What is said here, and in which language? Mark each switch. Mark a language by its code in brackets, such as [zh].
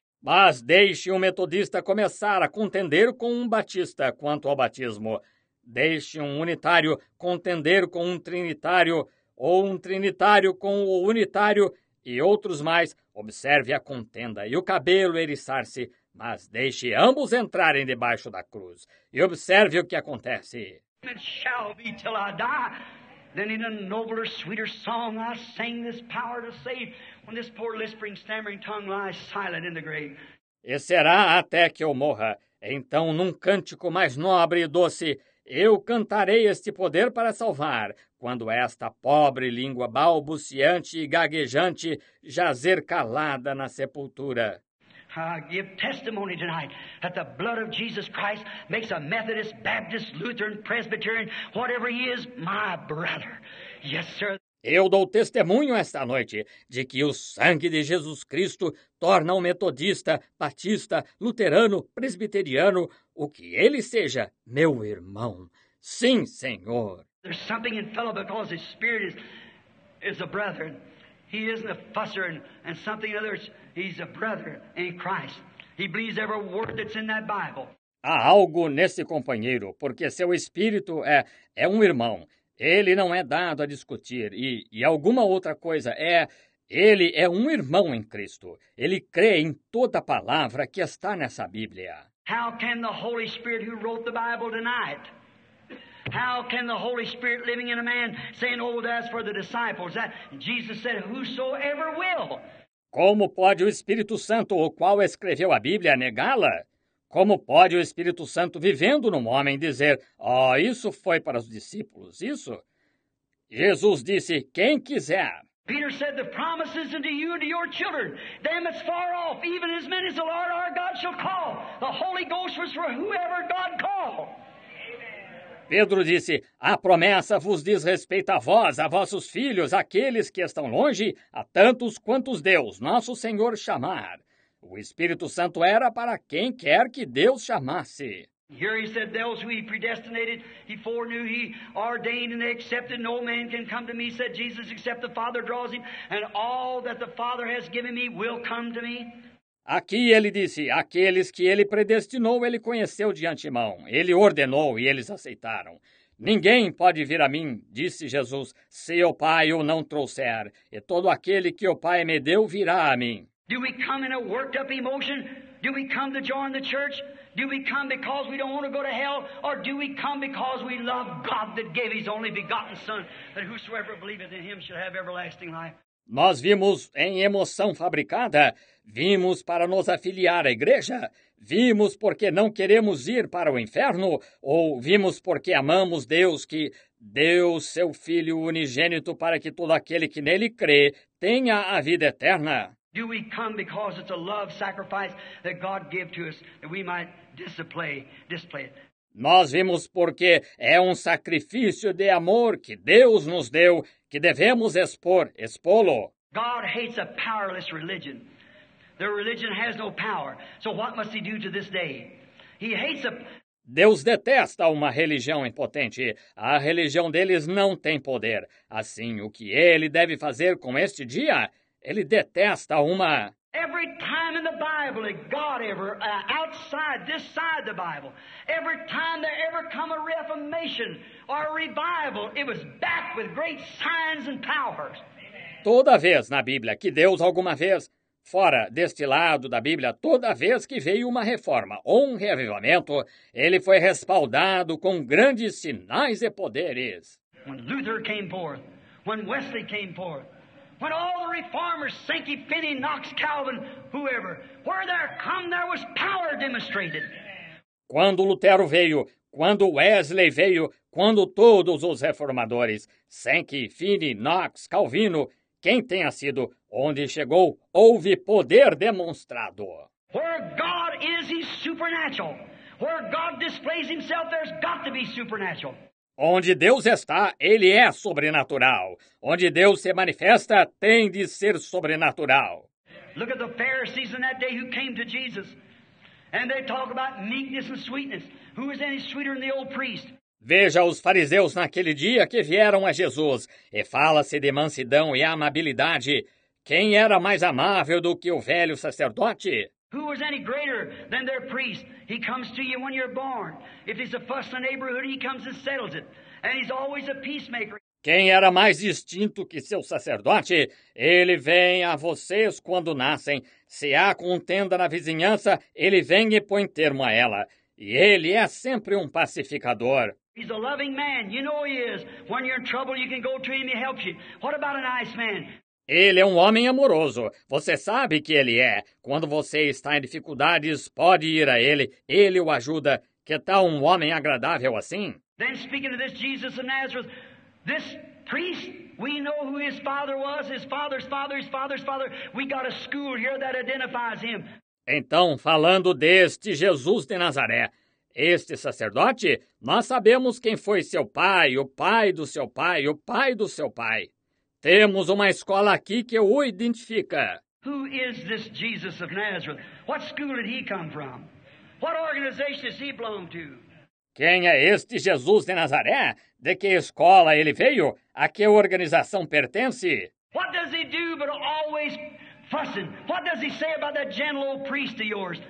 [pt] Mas deixe um metodista começar a contender com um batista quanto ao batismo. Deixe um unitário contender com um trinitário, ou um trinitário com o unitário e outros mais. Observe a contenda e o cabelo eriçar-se, mas deixe ambos entrarem debaixo da cruz. E observe o que acontece. [en] It shall be till I die. Then in a nobler, sweeter song I sing this power to save, when this poor lisping, stammering tongue lies silent in the grave. [pt] E será até que eu morra. Então, num cântico mais nobre e doce, eu cantarei este poder para salvar, quando esta pobre língua balbuciante e gaguejante jazer calada na sepultura. [en] I give testimony tonight that the blood of Jesus Christ makes a Methodist, Baptist, Lutheran, Presbyterian, whatever he is, my brother. Yes, sir. [pt] Eu dou testemunho esta noite de que o sangue de Jesus Cristo torna um metodista, batista, luterano, presbiteriano, o que ele seja, meu irmão. Sim, senhor. [en] There's something in fellow because his spirit is a brother. He isn't a fusser and something other. He's a brother in Christ. He believes every word that's in that Bible. [pt] Há algo nesse companheiro, porque seu espírito é um irmão. Ele não é dado a discutir. E alguma outra coisa é, ele é um irmão em Cristo. Ele crê em toda palavra que está nessa Bíblia. [en] How can the Holy Spirit who wrote the Bible tonight? How can the Holy Spirit living in a man saying, oh, that's for the disciples? That Jesus said, whosoever will. [pt] Como pode o Espírito Santo, o qual escreveu a Bíblia, negá-la? Como pode o Espírito Santo, vivendo num homem, dizer, oh, isso foi para os discípulos, isso? Jesus disse, quem quiser. [en] Peter said, the promise is unto you and to your children. Them that's far off, even as many as the Lord our God shall call. The Holy Ghost was for whoever God called. [pt] Pedro disse, a promessa vos diz respeito a vós, a vossos filhos, àqueles que estão longe, a tantos quantos Deus, nosso Senhor, chamar. O Espírito Santo era para quem quer que Deus chamasse. [en] Here he said, those who he predestinated, he foreknew, he ordained and they accepted. No man can come to me, said Jesus, except the Father draws him, and all that the Father has given me will come to me. [pt] Aqui ele disse, aqueles que ele predestinou, ele conheceu de antemão. Ele ordenou e eles aceitaram. Ninguém pode vir a mim, disse Jesus, se o Pai o não trouxer. E todo aquele que o Pai me deu virá a mim. [en] Do we come in a worked up emotion? Do we come to join the church? Do we come because we don't want to go to hell? Or do we come because we love God that gave his only begotten Son, that whosoever believeth in him should have everlasting life? [pt] Nós vimos em emoção fabricada, vimos para nos afiliar à igreja, vimos porque não queremos ir para o inferno, ou vimos porque amamos Deus que deu seu Filho unigênito para que todo aquele que nele crê tenha a vida eterna. [en] Do we come because it's a love sacrifice that God gave to us that we might display it? [pt] Nós vimos porque é um sacrifício de amor que Deus nos deu, que devemos expô-lo. [en] God hates a powerless religion. Their religion has no power. So what must he do to this day? He hates a... [pt] Deus detesta uma religião impotente. A religião deles não tem poder. Assim, o que ele deve fazer com este dia? Ele detesta uma... [en] Every time in the Bible, God ever, outside, this side the Bible, every time there ever come a reformation or a revival, it was backed with great signs and powers. [pt] Toda vez na Bíblia que Deus alguma vez, fora deste lado da Bíblia, toda vez que veio uma reforma ou um reavivamento, ele foi respaldado com grandes sinais e poderes. [en] When Luther came forth, when Wesley came forth, when all the reformers, Sankey, Finney, Knox, Calvin, whoever, where there come, there was power demonstrated. [pt] Quando Lutero veio, quando Wesley veio, quando todos os reformadores, Sankey, Finney, Knox, Calvino, quem tenha sido, onde chegou, houve poder demonstrado. [en] Where God is, he's supernatural. Where God displays himself, there's got to be supernatural. [pt] Onde Deus está, ele é sobrenatural. Onde Deus se manifesta, tem de ser sobrenatural. [en] Look at the Pharisees in that day who came to Jesus. And they talk about meekness and sweetness. Who is any sweeter than the old priest? [pt] Veja os fariseus naquele dia que vieram a Jesus. E fala-se de mansidão e amabilidade. Quem era mais amável do que o velho sacerdote? [en] Who was any greater than their priest? He comes to you when you're born. If there's a fuss in the neighborhood, he comes and settles it. And he's always a peacemaker. [pt] Quem era mais distinto que seu sacerdote? Ele vem a vocês quando nascem. Se há contenda na vizinhança, ele vem e põe termo a ela. E ele é sempre um pacificador. [en] He's a loving man. You know he is. When you're in trouble, you can go to him, he helps you. What about an ice man? [pt] Ele é um homem amoroso. Você sabe que ele é. Quando você está em dificuldades, pode ir a ele. Ele o ajuda. Que tal um homem agradável assim? [en] Then speaking of this Jesus of Nazareth, this priest, we know who his father was, his father's father, his father's father. We got a school here that identifies him. [pt] Então, falando deste Jesus de Nazaré, este sacerdote, nós sabemos quem foi seu pai, o pai do seu pai, o pai do seu pai. Temos uma escola aqui que o identifica. [en] Who is this Jesus of Nazareth? What school did he come from? What organization does he belong to? [pt] Quem é este Jesus de Nazaré? De que escola ele veio? A que organização pertence? [en] What does he do but always fussing? What does he say about that gentle old priest of yours?